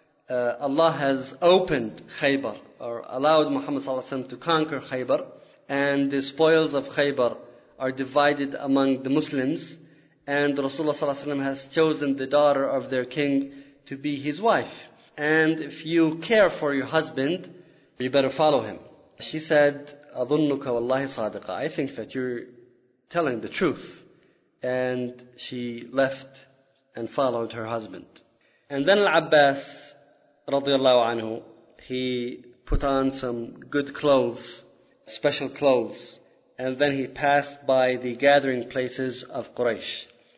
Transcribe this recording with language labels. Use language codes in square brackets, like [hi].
[en] Allah has opened Khaybar, or allowed Muhammad sallallahu alaihi wasallam to conquer Khaybar, and the spoils of Khaybar are divided among the Muslims, and Rasulullah sallallahu alaihi wasallam has chosen the daughter of their king to be his wife. And if you care for your husband, you better follow him." She said, [ar] "أَظُنُّكَ وَاللَّهِ صَادِقًا." [en] I think that you're telling the truth. And she left and followed her husband. And then Al-Abbas, رضي الله عنه, he put on some good clothes, special clothes. And then he passed by the gathering places of Quraysh.